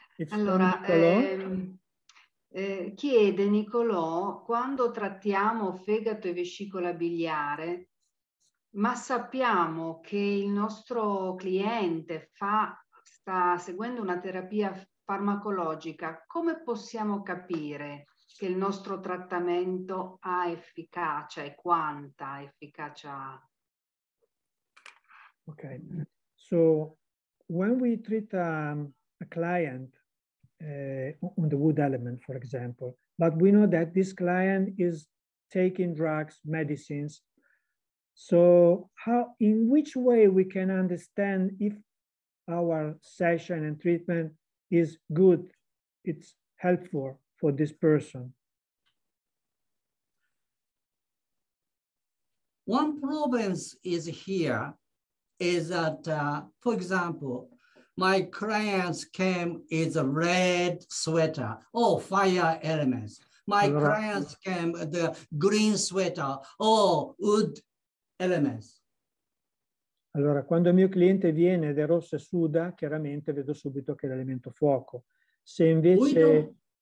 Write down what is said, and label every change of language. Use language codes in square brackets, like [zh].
[it] Allora, chiede Nicolò, quando trattiamo fegato e vescicola biliare, ma sappiamo che il nostro cliente sta seguendo una terapia farmacologica, come possiamo capire che il nostro trattamento ha efficacia e quanta efficacia ha? [en] Ok, so when we treat a client on the wood element, for example, but we know that this client is taking drugs, medicines, so how, in which way we can understand if our session and treatment is good, it's helpful for this person? One problem is here is that, for example, my clients came in a red sweater, oh, fire elements. My clients came in the green sweater, oh, wood elements. [it] Allora, quando il mio cliente viene ed è rosso e suda, chiaramente vedo subito che è l'elemento fuoco. Se invece...